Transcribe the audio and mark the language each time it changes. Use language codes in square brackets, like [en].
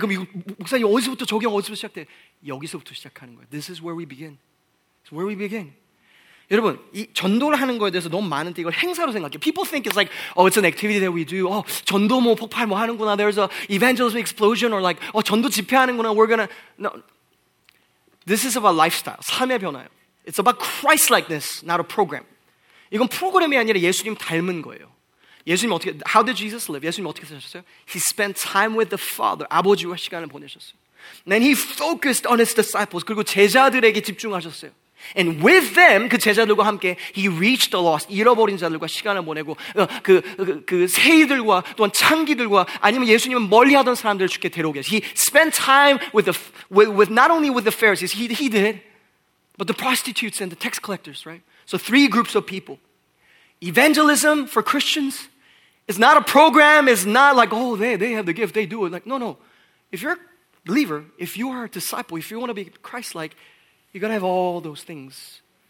[ko] 그럼 이거 목사님 어디서부터 적용 어디서부터 시작돼? 여기서부터 시작하는 거예요. [en] This is where we begin. It's where we begin. [ko] 여러분, 이 전도를 하는 거에 대해서 너무 많은데 이걸 행사로 생각해요. [en] People think it's like, oh, it's an activity that we do. [ko] Oh, 전도 뭐 폭발 뭐 하는구나. [en] There's a evangelism explosion or like, oh, [ko] 전도 집회 하는구나. [en] We're gonna, no. This is about lifestyle. [ko] 삶의 변화요. [en] It's about Christ-likeness, not a program. [ko] 이건 프로그램이 아니라 예수님 닮은 거예요. 예수님 어떻게, [en] how did Jesus live? [ko] 예수님 어떻게 사셨어요? [en] He spent time with the Father. [ko] 아버지와 시간을 보내셨어요. [en] Then he focused on his disciples. [ko] 그리고 제자들에게 집중하셨어요. [en] And with them, [ko] 그 제자들과 함께, [en] he reached the lost. [ko] 잃어버린 자들과 시간을 보내고, 새이들과 또한 창기들과 아니면 예수님은 멀리 하던 사람들을 주께 데려오게 하셨어요. [en] He spent time with the, with not only with the Pharisees, he did, but the prostitutes and the tax collectors, right? So three groups of people. Evangelism for Christians, It's not a program. It's not like, oh, they have the gift. They do it. Like, no, no. If you're a believer, if you are a disciple, if you want to be Christ-like, you got to have all those things.